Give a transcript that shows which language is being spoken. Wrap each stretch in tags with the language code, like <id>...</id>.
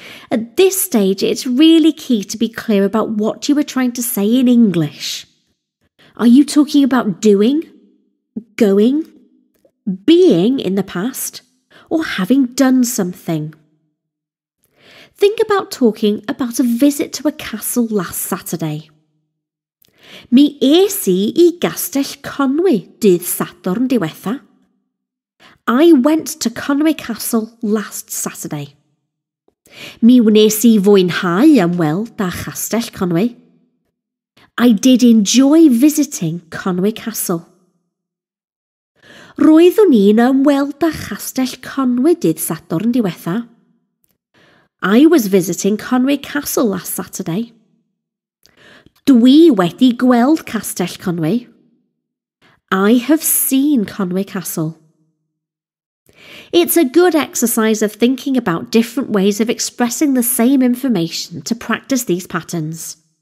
<en>At this stage, it's really key to be clear about what you are trying to say in English. Are you talking about doing, going, being in the past, or having done something? Think about talking about a visit to a castle last Saturday.</en> <cy>Mi es I I Gastell Conwy dydd Sadwrn diwetha.</cy> <en>I went to Conwy Castle last Saturday.</en> <cy>Mi wnes I fwynhau ymweld â Chastell Conwy.</cy> <en>I did enjoy visiting Conwy Castle.</en> <cy>Roeddwn I'n ymweld â Chastell Conwy dydd Sadwrn diwetha.</cy> <en>I was visiting Conwy Castle last Saturday.</en> <cy>Dwi wedi gweld Castell Conwy.</cy> <en>I have seen Conwy Castle. It's a good exercise of thinking about different ways of expressing the same information to practice these patterns.</en>